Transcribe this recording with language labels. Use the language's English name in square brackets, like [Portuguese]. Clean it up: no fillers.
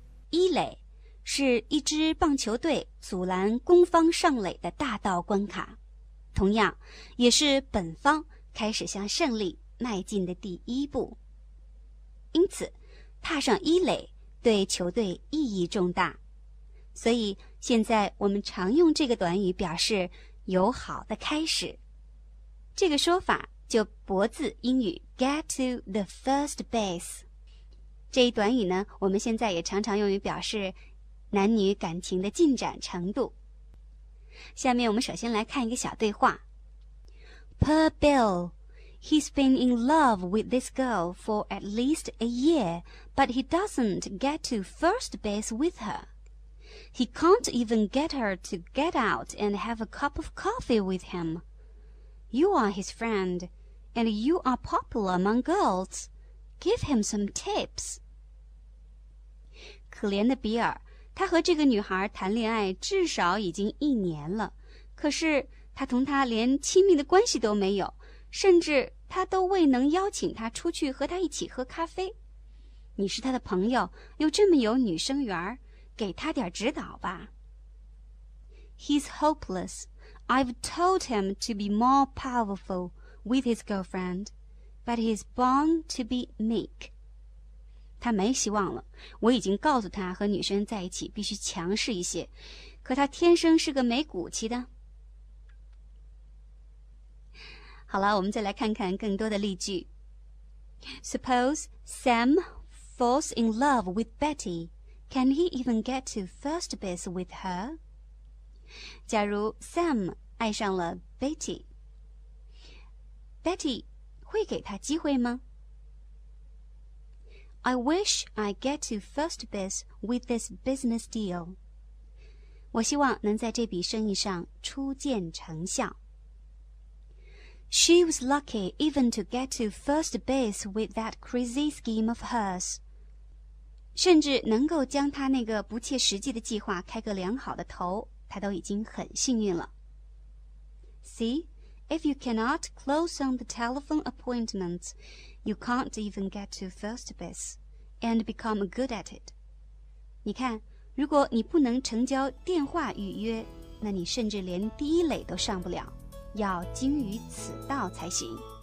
[Chinese] 一垒是一支棒球队阻拦攻方上垒的大道关卡，同样也是本方开始向胜利迈进的第一步。因此踏上一垒对球队意义重大，所以现在我们常用这个短语表示友好的开始。这个说法就博自英语 [English] get to the first base。 [Chinese] 这一短语呢，我们现在也常常用于表示男女感情的进展程度。下面我们首先来看一个小对话。 [English] Per Bill, he's been in love with this girl for at least a year, but he doesn't get to first base with her. He can't even get her to get out and have a cup of coffee with him. You are his friend, and you are popular among girls. Give him some tips. [Chinese] 可怜的比尔，他和这个女孩谈恋爱至少已经一年了，可是他同她连亲密的关系都没有，甚至他都未能邀请她出去和他一起喝咖啡。你是他的朋友，又这么有女生缘，给他点指导吧。 [English] He's hopeless. I've told him to be more powerful with his girlfriend, but he's born to be meek. [Chinese] 他没希望了，我已经告诉他和女生在一起必须强势一些，可他天生是个没骨气的。好了，我们再来看看更多的例句。 [English] Suppose Sam falls in love with Betty. Can he even get to first base with her? [Chinese] 假如 Sam 爱上了 Betty， Betty 会给他机会吗？ [English] I wish I get to first base with this business deal. [Chinese] 我希望能在这笔生意上初见成效。 [English] She was lucky even to get to first base with that crazy scheme of hers. [Chinese] 甚至能够将他那个不切实际的计划开个良好的头，他都已经很幸运了。 [English] See, if you cannot close on the telephone appointments, you can't even get to first base and become good at it. [Chinese] 你看，如果你不能成交电话预约，那你甚至连第一垒都上不了，要精于此道才行。